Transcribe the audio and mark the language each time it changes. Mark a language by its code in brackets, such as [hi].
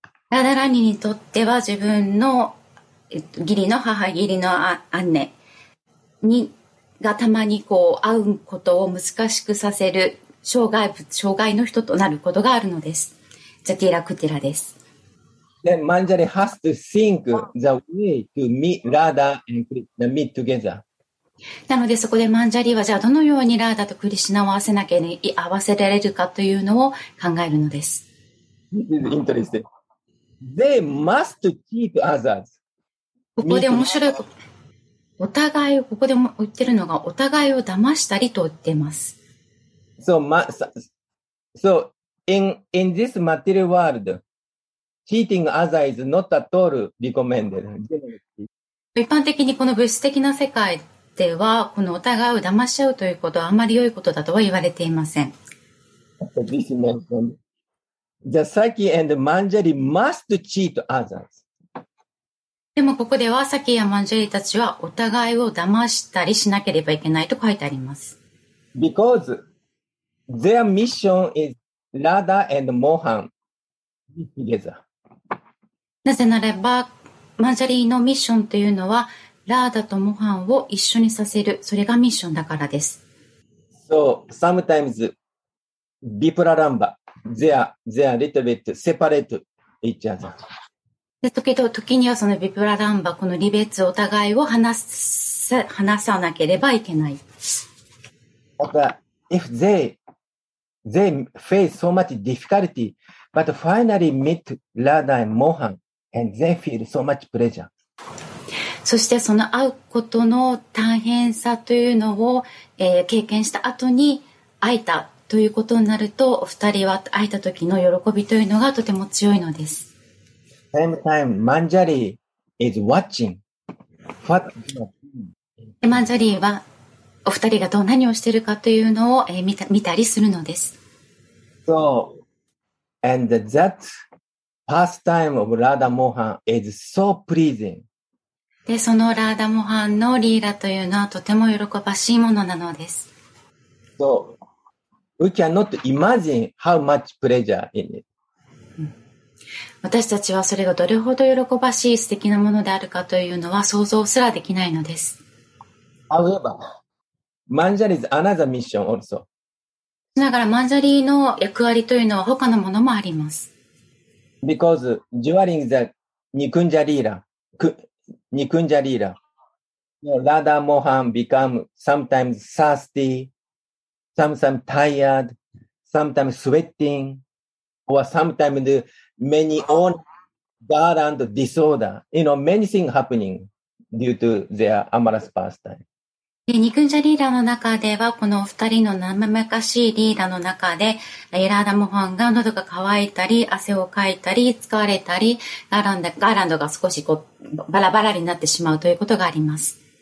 [ja] ラダラーニーにとっては自分の義理の母、義理の姉にがたまにこう会うことを難しくさせる障害の人となることがあるのです。ジャティラクティラです。 [en] で、マンジャリ has to think the way to meet Radha and Krishna meet together。 [ja] なのでそこでマンジャリはじゃあどのようにラーダとクリシナを合わせられるかというのを考えるのです。 [en] This is interesting. They must cheat others. [ja] ここで面白いこと、お互いここで言ってるのがお互いを騙したりと言ってます。 [en] So in this material world, cheating others is not at all recommended. [ja] 一般的にこの物質的な世界では、このお互いを騙し合うということはあまり良いことだとは言われていません。 [en] This is mentioned. The Saki and Manjari must cheat others. [ja] でもここでは、サキやマンジャリたちはお互いを騙したりしなければいけないと書いてあります。 [en] Because... Their mission is Radha and Mohan together. [ja] なぜならば、マジャリーのミッションというのは、ラーダとモハンを一緒にさせる、それがミッションだからです。 [en] So, sometimes, Vipralamba, they are little bit separate each other. [ja] で、時にはそのVipralamba、この離別、お互いを話さなければいけない。 [en] But if they face so much difficulty, but finally meet Radha and Mohan, and they feel so much pleasure. [ja] そしてその会うことの大変さというのを、経験した後に会えたということになると、お二人は会えた時の喜びというのがとても強いのです。 [en] Same time, Manjari is watching. What [ja] do? Manjari はお二人がどう何をしているかというのを、見たりするのです。 [en] So, and that pastime of Radha Mohan is so pleasing. [ja] で、そのラーダモハンのリーラというのはとても喜ばしいものなのです。 [en] So,We cannot imagine how much pleasure in it. [ja] 私たちはそれがどれほど喜ばしい素敵なものであるかというのは想像すらできないのです。 [en] However, Manjari is another mission also. [ja] だから、マンジャリーの役割というのは他のものもあります。 [en] Because during the Nikunjalila, Radha Mohan become sometimes thirsty. Sometimes tired, sometimes sweating, or sometimes many own garland disorder. You know, many things happening due to their amorous pastime. [ja] ニクンジャリーラの中では、このお二人の生々しいリーダーの中で、エラーダモファンが喉が渇いたり、汗をかいたり、疲れたり、ガーランドが少しこうバラバラになってしまうということがあります。